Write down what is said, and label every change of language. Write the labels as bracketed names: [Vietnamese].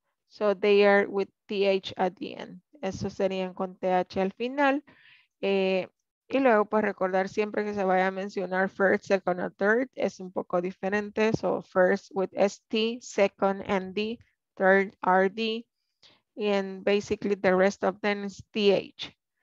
[English] So they are with TH at the end. [Spanish] Eso serían con TH al final. Y luego pues recordar siempre que se vaya a mencionar [English] first, second, or third. [Spanish] Es un poco diferente. [English] So first with ST, second ND, third RD. And basically the rest of them is TH.